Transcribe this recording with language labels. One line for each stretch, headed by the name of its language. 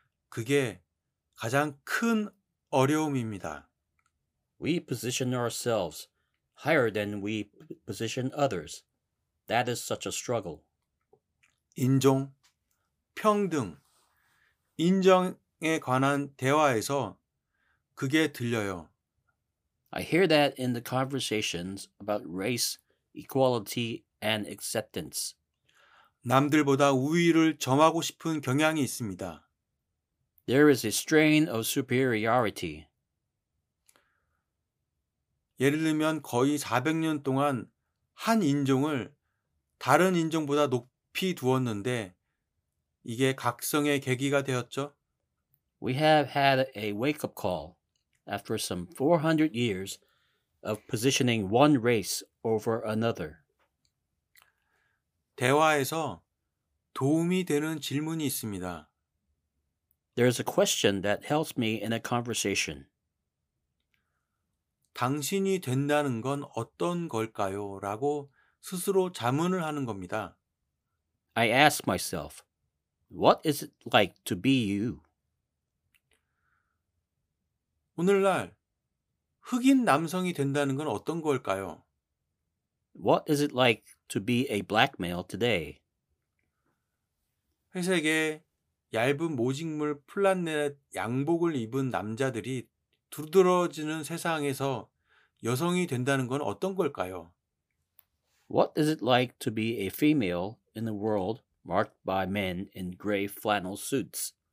Korean: 그게 가장 큰 어려움입니다.
English: We position ourselves higher than we position others. That is such a struggle.
Korean: 인종, 평등, 인정에 관한 대화에서 그게 들려요.
English: I hear that in the conversations about race, equality, and acceptance.
Korean: 남들보다 우위를 점하고 싶은 경향이 있습니다.
English: There is a strain of superiority.
Korean: 예를 들면 거의 400년 동안 한 인종을 다른 인종보다 높이 두었는데 이게 각성의 계기가 되었죠.
English: We have had a wake-up call after some 400 years of positioning one race over another.
Korean: 대화에서 도움이 되는 질문이 있습니다.
English: There is a question that helps me in a conversation.
Korean: 당신이 된다는 건 어떤 걸까요? 라고 스스로 자문을 하는 겁니다.
English: I ask myself, what is it like to be you?
Korean: 오늘날 흑인 남성이 된다는 건 어떤 걸까요?
English: What is it like to be a black male today?
Korean: 회색의 얇은 모직물 플란넷 양복을 입은 남자들이 두드러지는 세상에서 여성이 된다는 건 어떤 걸까요?
English: What is it like to be a female in a world marked by men in gray flannel suits?